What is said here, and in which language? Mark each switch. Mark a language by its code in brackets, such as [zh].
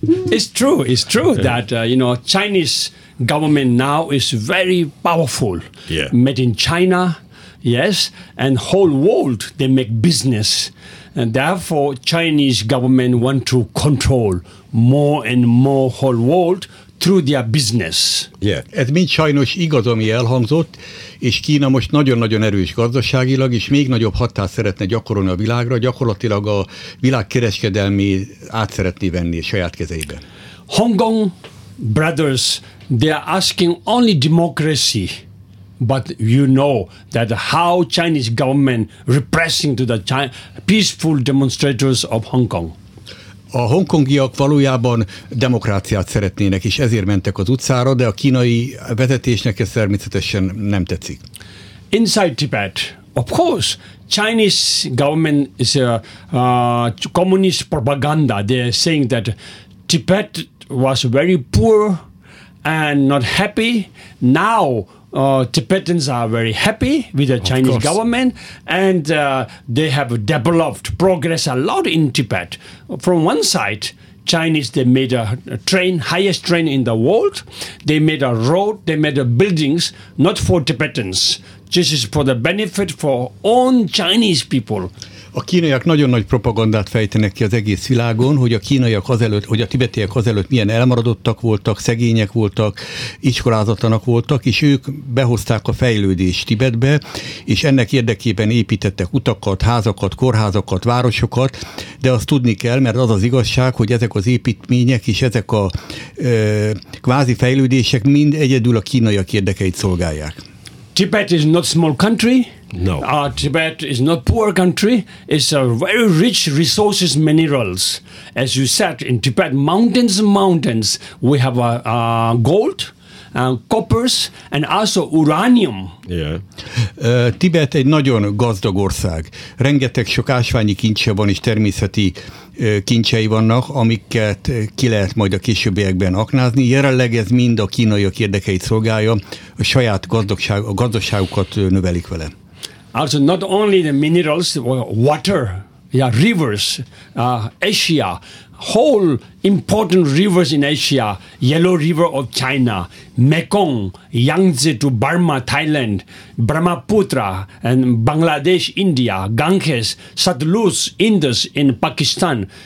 [en] It's true that Chinese government now is very powerful. Yeah. Made in China, yes, and whole world they make business, and therefore Chinese government want to control more and more whole world through their business. Yeah. [hu] Ez mind sajnos igaz, ami elhangzott, és Kína most nagyon-nagyon erős gazdaságilag, és még nagyobb hatást szeretne gyakorolni a világra, gyakorlatilag a világ kereskedelmi át szeretné venni a saját kezeibe. [en] Hong Kong brothers, they are asking only democracy, but you know that how Chinese government repressing to the peaceful demonstrators of Hong Kong. [hu] A hongkongiak valójában demokráciát szeretnének, és ezért mentek az utcára, de a kínai vezetésnek ez természetesen nem tetszik. [en] Inside Tibet, of course, Chinese government is a communist propaganda. They're saying that Tibet was very poor and not happy. Now Tibetans are very happy with the Chinese government, and they have developed progress a lot in Tibet. From one side, Chinese, they made a train, highest train in the world. They made a road, they made a buildings, not for Tibetans. This is for the benefit for own Chinese people. [hu] A kínaiak nagyon nagy propagandát fejtenek ki az egész világon, hogy a kínaiak azelőtt, hogy a tibetiek azelőtt milyen elmaradottak voltak, szegények voltak, iskolázatlanak voltak, és ők behozták a fejlődést Tibetbe, és ennek érdekében építettek utakat, házakat, kórházakat, városokat, de azt tudni kell, mert az az igazság, hogy ezek az építmények és ezek a kvázi fejlődések mind egyedül a kínaiak érdekeit szolgálják. [en] Tibet is not small country. No. Tibet is not poor country. It's a very rich resources, minerals. As you said, in Tibet, mountains and mountains, we have gold, coppers, and also uranium. Yeah. [hu] Tibet egy nagyon gazdag ország. Rengeteg sok ásványi kincse van, és természeti kincsei vannak, amiket ki lehet majd a későbbiekben aknázni. Jelenleg ez mind a kínaiak érdekeit szolgálja, a saját gazdaságukat növelik vele. [en] Also, not only the minerals, water, yeah, rivers, Asia, whole important rivers in Asia, Yellow River of China, Mekong, Yangtze to Burma, Thailand, Brahmaputra and Bangladesh, India, Ganges, Satluj, Indus in Pakistan.